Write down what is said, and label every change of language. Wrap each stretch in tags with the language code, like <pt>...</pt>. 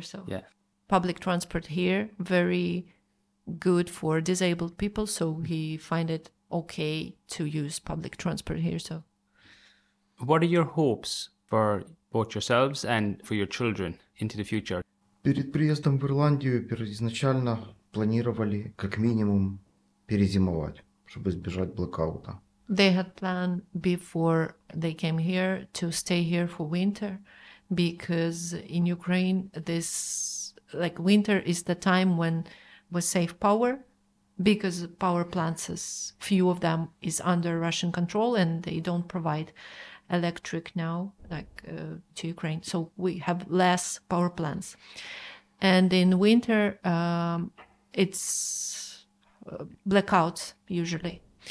<en>So yeah. Public transport here, very good for disabled people. So we find it okay to use public transport here. So, what are your hopes for both yourselves and for your children into the future?</en> <ru>Перед приездом в Ирландию изначально планировали как минимум перезимовать. Чтобы избежать блокаута.</ru> <en>They had planned before they came here to stay here for winter, because in Ukraine this like winter is the time when we save power, because power plants is few of them is under Russian control and they don't provide electric now like to Ukraine, so we have less power plants, and in winter it's blackouts usually.</en>